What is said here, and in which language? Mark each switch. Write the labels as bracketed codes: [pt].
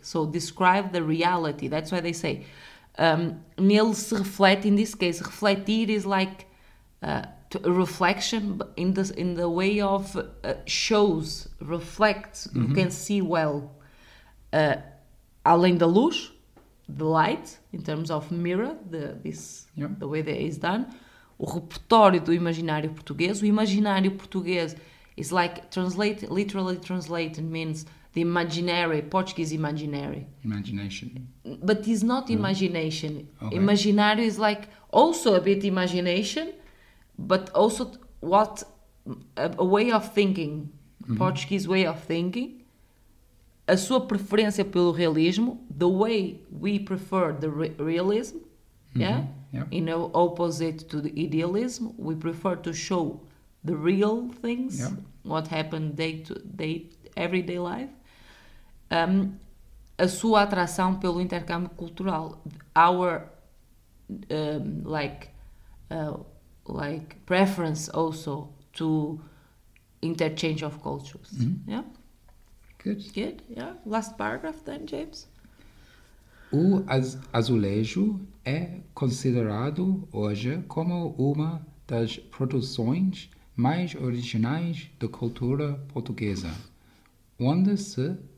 [en] So describe the reality. That's why they say, [pt] nele se reflete, [en] in this case, refletir is like a reflection in the way of shows, reflects, you can see well. [pt] Além da luz, [en] the light, in terms of mirror, the way that is done. [pt] O repertório do imaginário português. O imaginário português [en] is like literally translated means the imaginary, Portuguese imaginary. Imagination. But it's not imagination. Okay. Imaginário is like also a bit imagination, but also a way of thinking. Portuguese way of thinking, [pt] a sua preferência pelo realismo, [en] the way we prefer the realism, yeah? In opposite to the idealism, we prefer to show the real things, what happened day to day, everyday life. [pt] A sua atração pelo intercâmbio cultural, [en] our like preference also to interchange of cultures. Mm-hmm. Yeah. Good. Yeah. Last paragraph then, James. [pt] O azulejo é considerado hoje como uma das produções mais originais da cultura portuguesa, onde se